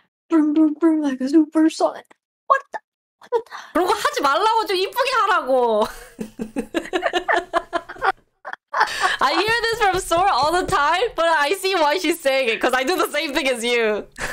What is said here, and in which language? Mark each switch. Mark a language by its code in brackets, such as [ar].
[en] Boom, boom, boom, like a super sonic. What the, [ko] 그런 거 하지 말라고, 좀 이쁘게 하라고. [en] I hear this from Sora all the time, but I see why she's saying it, because I do the same thing as you.